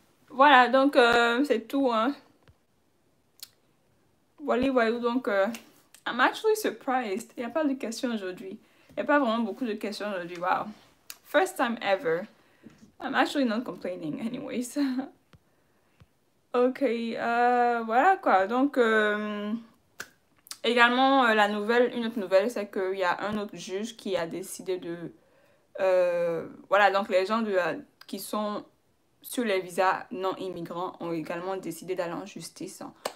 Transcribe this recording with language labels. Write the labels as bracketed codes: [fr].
[fr] Voilà, donc c'est tout, hein. Voilà, donc [en] I'm actually surprised. [fr] Il n'y a pas de questions aujourd'hui. Il n'y a pas vraiment beaucoup de questions aujourd'hui. [en] Wow. First time ever. I'm actually not complaining, anyways. [fr] Ok, voilà quoi. Donc, également, une autre nouvelle, c'est qu'il y a un autre juge qui a décidé de. Voilà, donc les gens qui sont sur les visas non immigrants ont également décidé d'aller en justice. Hein.